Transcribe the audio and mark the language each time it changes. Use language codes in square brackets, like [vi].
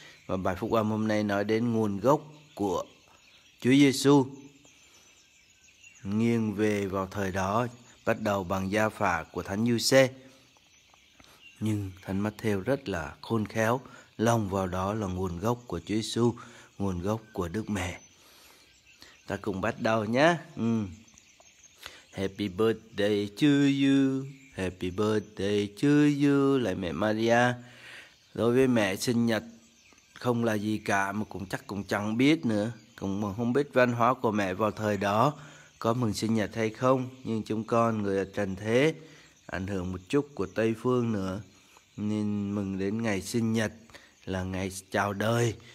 [vi] Và bài phúc âm hôm nay nói đến nguồn gốc của Chúa Giêsu, nghiêng về vào thời đó, bắt đầu bằng gia phả của Thánh Giuse. Nhưng Thánh Matthew rất là khôn khéo, lồng vào đó là nguồn gốc của Chúa Giêsu, nguồn gốc của Đức Mẹ. Ta cùng bắt đầu nhé. [en] Happy birthday to you, happy birthday to you. [vi] Lạy mẹ Maria, đối với mẹ sinh nhật không là gì cả, mà cũng chắc cũng chẳng biết nữa, cũng không biết văn hóa của mẹ vào thời đó có mừng sinh nhật hay không. Nhưng chúng con người ở trần thế ảnh hưởng một chút của Tây Phương nữa, nên mừng đến ngày sinh nhật là ngày chào đời.